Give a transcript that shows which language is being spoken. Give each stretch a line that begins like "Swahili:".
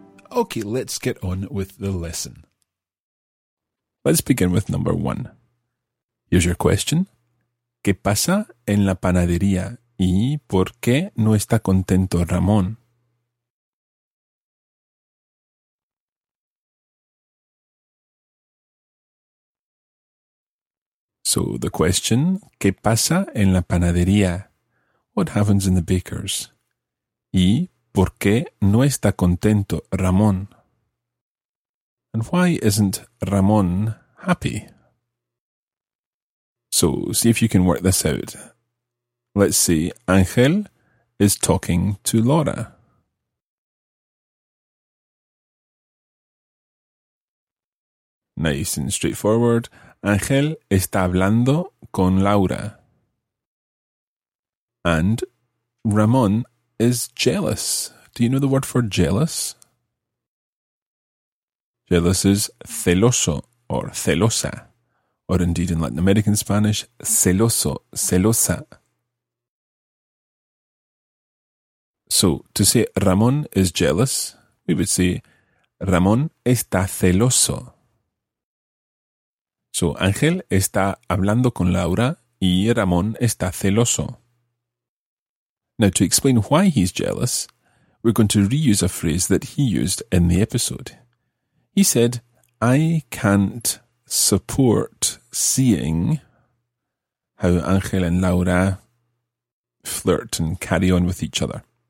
English: Okay, let's get on with the lesson. Let's begin with number one. Here's your question.
Spanish: ¿Qué pasa en la panadería y por qué no está contento Ramón?
English: So the question,
Spanish: ¿qué pasa en la panadería?
English: What happens in the bakers?
Spanish: Y ¿por qué no está contento Ramón?
English: And why isn't Ramón happy? So, see if you can work this out. Let's see, Ángel is talking to Laura. Nice and straightforward.
Spanish: Ángel está hablando con Laura.
English: And Ramón is jealous. Do you know the word for jealous? Jealous is celoso or celosa, or indeed in Latin American Spanish, celoso, celosa. So to say Ramón is jealous, we would say
Spanish: Ramón está celoso. So Ángel está hablando con Laura y Ramón está celoso.
English: Now, to explain why he's jealous, we're going to reuse a phrase that he used in the episode. He said, I can't support seeing how Ángel and Laura flirt and carry on with each other.